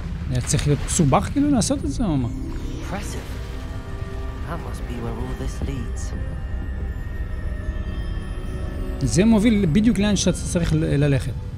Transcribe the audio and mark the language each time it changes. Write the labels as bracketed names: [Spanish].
[Hebrew] היה צריך להיות סובך כאילו לעשות את זה או מה? [English] Impressive. That must be where all this leads. [Hebrew] זה מוביל בדיוק לאן שאתה צריך ללכת.